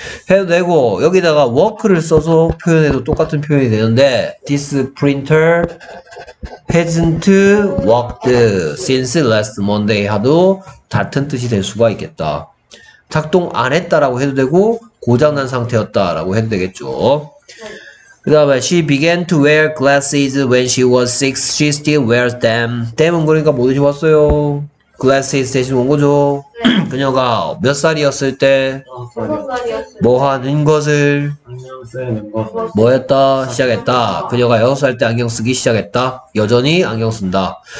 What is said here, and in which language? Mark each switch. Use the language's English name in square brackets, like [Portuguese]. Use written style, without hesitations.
[Korean] 해도 되고, 여기다가 work를 써서 표현해도 똑같은 표현이 되는데, [English] this printer hasn't worked since last Monday [Korean] 하도 같은 뜻이 될 수가 있겠다. 작동 안 했다라고 해도 되고, 고장난 상태였다라고 해도 되겠죠. 그 다음에 [English] She began to wear glasses when she was 6. She still wears them. [Korean] 땜은 그러니까 뭐 대신 왔어요? Glasses 대신 온 거죠. 네. 그녀가 몇 살이었을 때 뭐 하는 것을 뭐 했다? 시작했다. 그녀가 6살 때 안경 쓰기 시작했다. 여전히 안경 쓴다.